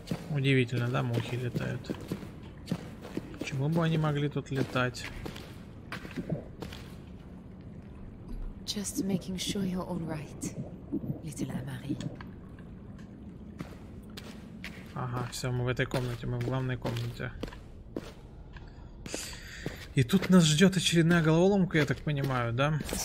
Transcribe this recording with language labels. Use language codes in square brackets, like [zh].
[ru] Удивительно, да, мухи летают. Почему бы они могли тут летать? [en] Just making sure you're all right, little Amari. [ru] Ага, все, мы в этой комнате, мы в главной комнате. И тут нас ждет очередная головоломка, я так понимаю, да?